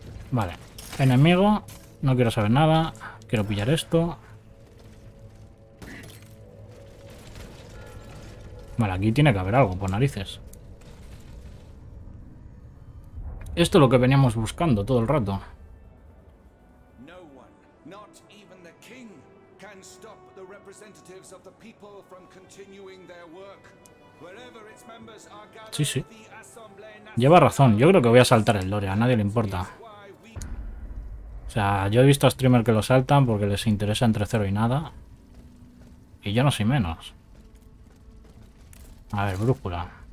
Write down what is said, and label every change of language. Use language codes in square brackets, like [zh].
[es] Vale. Enemigo. No quiero saber nada. Quiero pillar esto. Vale, aquí tiene que haber algo, por narices. Esto es lo que veníamos buscando todo el rato. [en] No one, not even the king, can stop the representatives of the people from continuing their work. Wherever its members are gathered. [es] Sí, sí. Lleva razón, yo creo que voy a saltar el lore, a nadie le importa. O sea, yo he visto a streamers que lo saltan porque les interesa entre cero y nada. Y yo no soy menos. A ver, brújula.